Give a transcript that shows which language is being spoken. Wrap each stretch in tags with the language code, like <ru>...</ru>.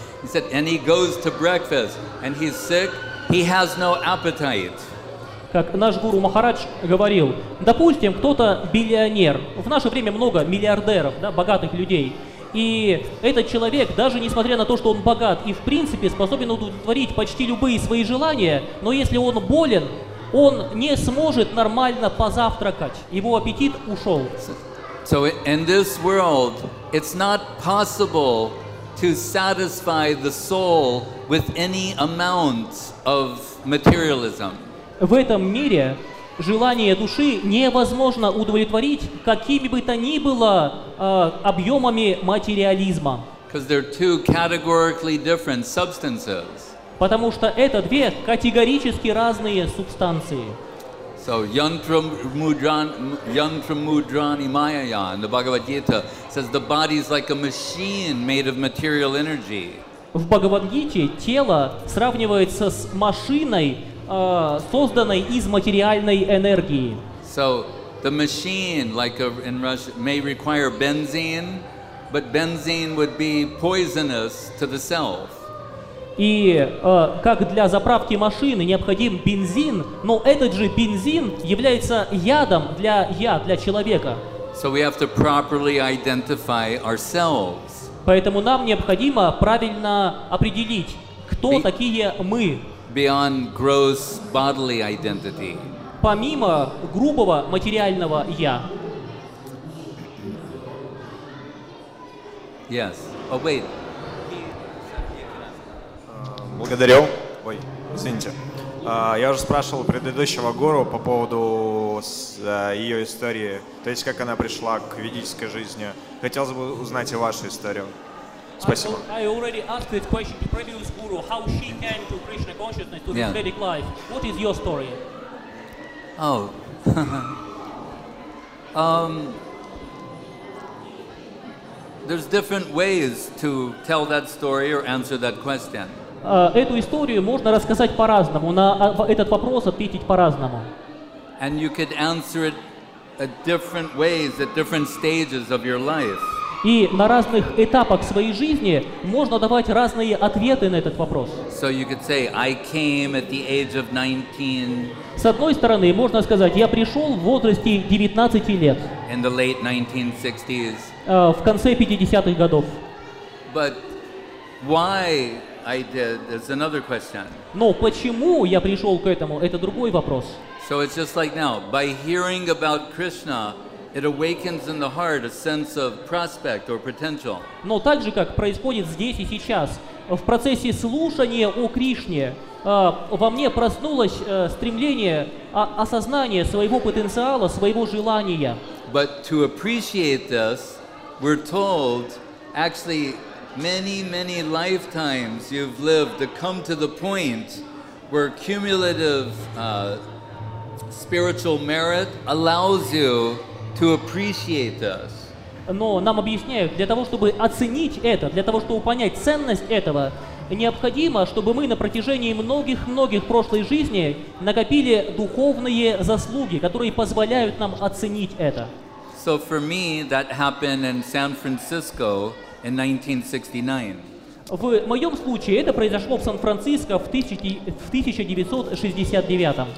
<en>He said, and he goes to breakfast, and he's sick, he has no appetite.</en> <ru>Как наш Гуру Махарадж говорил, допустим, кто-то миллионер, в наше время много миллиардеров, да, богатых людей, и этот человек, даже несмотря на то, что он богат и в принципе способен удовлетворить почти любые свои желания, но если он болен, он не сможет нормально позавтракать, его аппетит ушел.</ru> <en>So in this world, it's not possible to satisfy the soul with any amount of materialism.</en> <ru>В этом мире желание души невозможно удовлетворить какими бы то ни было объемами материализма.</ru> <en>Because they're two categorically different substances.</en> <ru>Потому что это две категорически разные субстанции.</ru> <en>So</en> <sa>Yantramudrani Mayaya</sa> <en>in the Bhagavad Gita says the body is like a machine made of material energy.</en> <ru>В Бхагавад-гите тело сравнивается с машиной, созданной из материальной энергии.</ru> <en>So the machine, like in Russia, may require benzene, but benzene would be poisonous to the self.</en> <ru>И как для заправки машины необходим бензин, но этот же бензин является ядом для для человека.</ru> <en>So we have to properly identify ourselves.</en> <ru>Поэтому нам необходимо правильно определить, кто такие мы.</ru> <en>Beyond gross bodily identity.</en> <ru>Помимо грубого материального я.</ru> <en>Yes. Oh, wait.</en> <ru>Благодарю. Ой, извините. Я уже спрашивал предыдущего гуру по поводу ее истории, то есть как она пришла к ведической жизни. Хотелось бы узнать и вашу историю. Спасибо.</ru> <en>I already asked this question to previous guru, how she came to Krishna consciousness, to the Vedic life. What is your story? Oh. There's different ways to tell that story or answer that question.</en> <ru>Эту историю можно рассказать по-разному, на этот вопрос ответить по-разному.</ru> <en>And you could answer it at different ways, at different stages of your life.</en> <ru>И на разных этапах своей жизни можно давать разные ответы на этот вопрос.</ru> <en>So you could say, I came at the age of 19.</en> <ru>С одной стороны, можно сказать, я пришел в возрасте 19 лет.</ru> <en>In the late 1960s.</en> <ru>В конце 50-х годов.</ru> <en>But why I did, that's another question.</en> <ru>Но почему я пришел к этому, это другой вопрос.</ru> <en>So it's just like now, by hearing about Krishna, it awakens in the heart a sense of prospect or potential.</en> <ru>Но так же, как происходит здесь и сейчас, в процессе слушания о Кришне, во мне проснулось стремление, осознание своего потенциала, своего желания.</ru> <en>But to appreciate this, we're told, actually, many, many lifetimes you've lived to come to the point where cumulative spiritual merit allows you to appreciate this.</en> <ru>Но нам объясняют, для того, чтобы оценить это, для того, чтобы понять ценность этого, необходимо, чтобы мы на протяжении многих-многих прошлых жизней накопили духовные заслуги, которые позволяют нам оценить это.</ru> <en>So for me, that happened in San Francisco. In 1969.</en> <ru>В моем случае это произошло в Сан-Франциско в 1969.</ru>